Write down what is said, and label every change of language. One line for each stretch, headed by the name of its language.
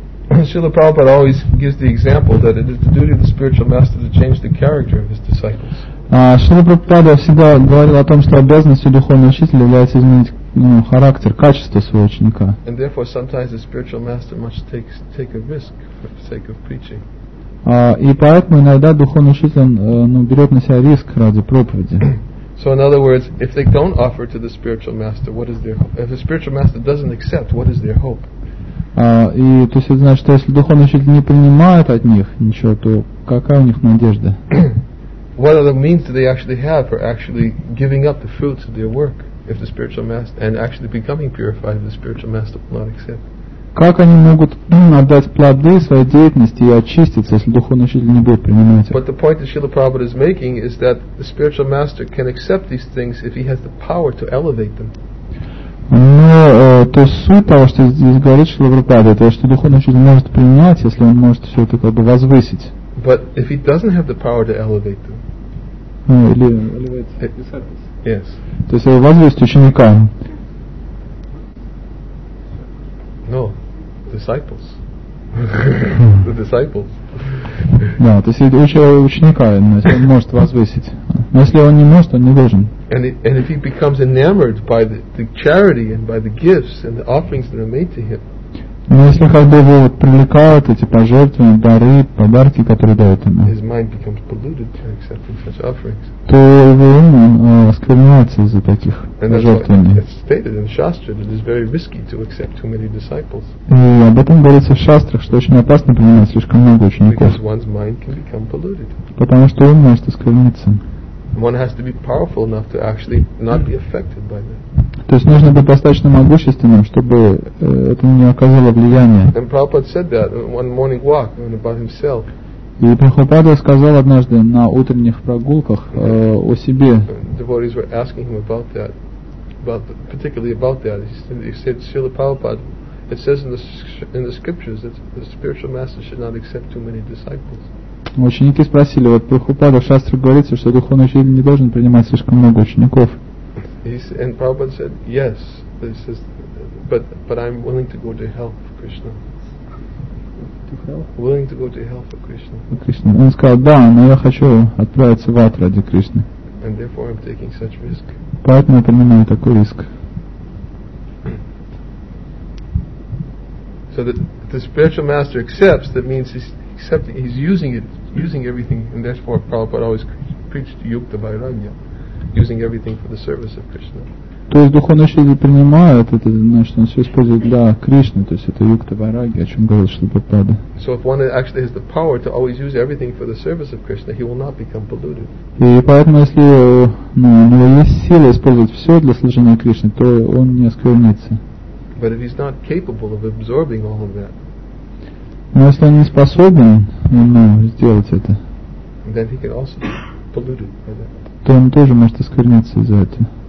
English: Srila Prabhupada always gives the example that it is the duty of the spiritual master to change the character of his disciples.
Russian: Srila Prabhupada всегда говорил о том, что обязанностью духовного учителя является изменить, ну, характер, качество своего ученика.
English: And therefore sometimes the spiritual master must take a risk for the sake of preaching.
Russian: И поэтому иногда духовный учитель берет на себя риск ради проповеди.
English: So in other words, if they don't offer to the spiritual master, what is their hope? If the spiritual master doesn't accept, what is their hope?
Russian: И то есть это значит, что если духовный учитель не принимает от них ничего, то какая у них надежда?
English: What other means do they actually have for actually giving up the fruits of their work if the spiritual master and actually becoming purified if the spiritual master will not accept?
Russian: Как они могут отдать плоды своей деятельности и очиститься, если духовный учитель не будет принимать их?
English: But the point that Srila Prabhupada is making is that the spiritual master can accept these things if he has the power to elevate them.
Russian: Но то суть того, что здесь говорит Шрила Прабхупада, это что духовный учитель может принять, если он может все это как бы возвысить.
English: But if he doesn't have the power to elevate them.
Russian: Или
English: elevate. Yes.
Russian: То есть возвысить ученика.
English: No, disciples. The disciples.
Russian: Да, то есть ученика, он может возвысить. Но если он не может, он не должен.
English: And if he becomes enamored by the charity and by the gifts and the offerings that are made to him.
Russian: Но если как бы его привлекают эти пожертвования, дары, подарки, которые дают ему,
English: his mind becomes polluted to accepting such offerings.
Russian: То его ум оскверняется из-за таких пожертвований.
English: It's stated in Shastra that it is very risky to accept too many disciples.
Russian: И об этом говорится в Шастрах, что очень опасно принимать слишком много учеников.
English: Because one's mind can become polluted.
Russian: Потому что ум может оскверниться.
English: One has to be powerful enough to actually not be affected by that.
Russian: То есть нужно быть достаточно могущественным, чтобы это не оказало влияния.
English: And Prabhupada said that in one morning walk about himself. И Прабхупада сказал однажды на утренних прогулках о себе. Devotees were asking him about that, particularly about that. He said, Srila Prabhupada, it says in the scriptures that the spiritual master should not accept too many disciples.
Russian: Ученики спросили, вот Прабхупада в шастре говорится, что духовный учитель не должен принимать слишком много учеников.
English: And Prabhupada said, yes, this is, but I'm willing to go to hell for Krishna. To hell? Willing to go to hell for Krishna. Krishna.
Russian: Он сказал, да, но я хочу отправиться в ад ради Кришны.
English: And therefore I'm taking such risk.
Russian: Поэтому я принимаю такой риск.
English: So the spiritual master accepts, that means he's accepting, he's using it, using everything, and that's why Prabhupada always preached Yukta Vairagya, using everything for the service of Krishna.
Russian: То есть духовный учитель принимает это, значит, он все использует для Кришны, то есть это Юкта Вайрагья, о чем говорил Шрила Прабхупада.
English: So if one actually has the power to always use everything for the service of Krishna, he will not become polluted.
Russian: И поэтому, если у него есть сила использовать все для служения Кришне, то он не осквернится.
English: But if he's not capable of absorbing all of that,
Russian: но если он не способен сделать это,
English: then he can also be polluted by that.
Russian: То он тоже может оскверняться из-за этого.